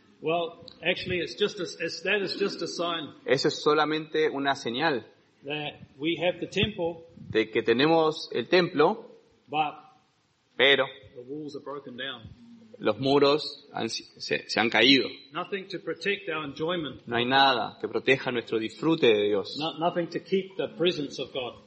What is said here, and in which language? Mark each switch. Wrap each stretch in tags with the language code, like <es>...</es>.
<en>Well, actually, it's just a sign.</en> <es>Eso es solamente una señal.</es> <en>That we have the temple.</en> <es>De que tenemos el templo.</es> <en>But the walls are broken down.</en> <es>Los muros se han caído.</es> <en>Nothing to protect our enjoyment.</en> <es>No hay nada que proteja nuestro disfrute de Dios.</es> <en>Nothing to keep the presence of God.</en>